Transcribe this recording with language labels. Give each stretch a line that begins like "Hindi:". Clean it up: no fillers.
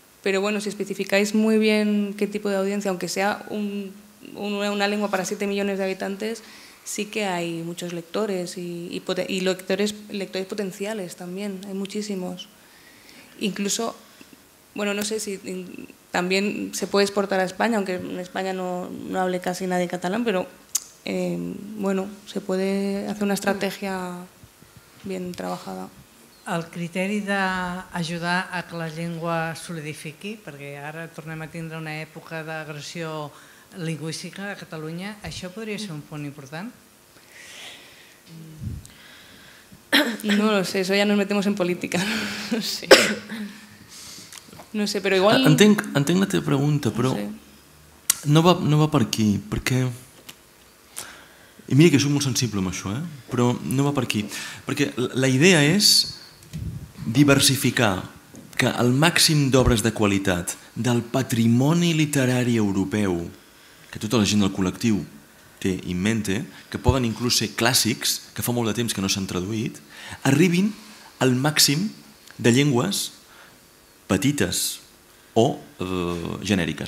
Spanish: Pero bueno, si especificáis muy bien qué tipo de audiencia, aunque sea una lengua para 7 millones de habitantes, sí que hay muchos lectores y lectores potenciales también, hay muchísimos. Incluso, bueno, no sé si también se puede exportar a España, aunque en España no hable casi nadie catalán, pero bueno, se puede hacer una estrategia bien trabajada.
Catalan: El criteri d'ajudar a que la llengua solidifiqui, perquè ara tornem a tindre una època d'agressió lingüística a Catalunya, això podria ser un punt important?
Spanish: No lo sé, eso ya nos metemos en política.
Catalan: Sí. No sé, però igual entenc la teva pregunta, però no va per aquí, perquè i mira que soc molt sensible amb això, però no va per aquí, perquè la idea és diversificar que el màxim d'obres de qualitat del patrimoni literari europeu que tota la gent del col·lectiu té
Spanish: en mente,
Catalan: que poden inclús ser clàssics, que fa molt de temps que no s'han traduït, arribin al màxim de llengües petites o genèriques.